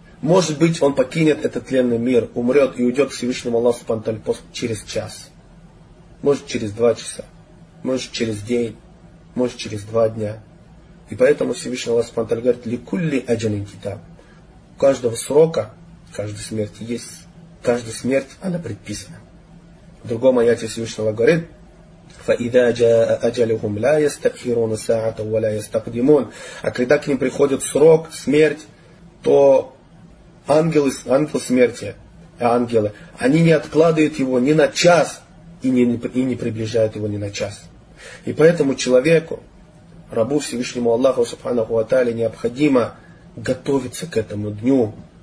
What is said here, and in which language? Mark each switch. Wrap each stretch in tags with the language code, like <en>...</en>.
<ru>Может быть, он покинет этот тленный мир, умрет и уйдет к Всевышнему Аллаху Панталь через час. Может, через два часа. Может, через день. Может, через два дня. И поэтому Всевышний Аллах Панталь говорит:</ru> <ar>«Ликулли аджалин китаб».</ar> <ru>У каждого срока, каждой смерти есть. Каждая смерть, она предписана. В другом аяте Всевышнего Аллах говорит:</ru> <ar>فَإِذَا جَاءَ أَجَلُهُمْ لَا يَسْتَأْخِرُونَ سَاعَةً وَلَا يَسْتَقْدِمُونَ.</ar> <ru>А когда к ним приходит срок, смерть, то ангел смерти, ангелы, они не откладывают его ни на час и не приближают его ни на час. И поэтому человеку, рабу Всевышнему Аллаху</ru> <ar>Субханаху ва Тааля,</ar> <ru>необходимо готовиться к этому дню.</ru>